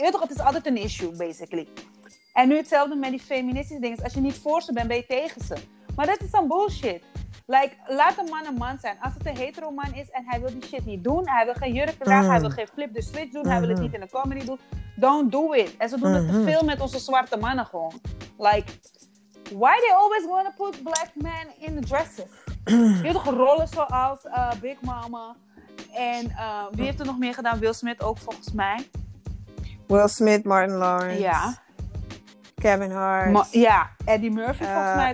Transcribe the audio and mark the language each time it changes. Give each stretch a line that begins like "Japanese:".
Dutch: Eerder, het is altijd een issue, basically. En nu hetzelfde met die feministische dingen. Als je niet voor ze bent, ben je tegen ze. Maar dat is dan bullshit. Like, laat een man zijn. Als het een hetero man is en hij wil die shit niet doen. Hij wil geen jurk dragen. Hij wil geen
English: flip the switch
Dutch: doen. Hij wil het niet in de comedy doen.
English: Don't do it.
Dutch: En ze doen het te veel met onze zwarte mannen gewoon.
English: Like, why they always want to put black men in the dresses?
Dutch: Je hebt toch rollen zoals Big Mama. En wie heeft er nog meer gedaan? Will Smith ook volgens mij. Will Smith, Martin Lawrence. Ja. Kevin Hart. Eddie Murphy volgens mij